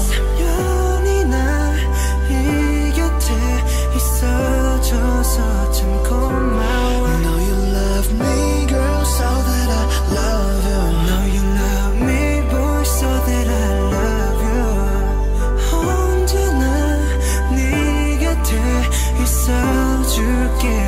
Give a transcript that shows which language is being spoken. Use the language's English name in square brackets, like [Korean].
[Korean] 3년이나 이 곁에 있어줘서 참 고마워. [English] Know you love me, girl, so that I love you. Know you love me, boy, so that I love you. [Korean] 언제나 네 곁에 있어줄게.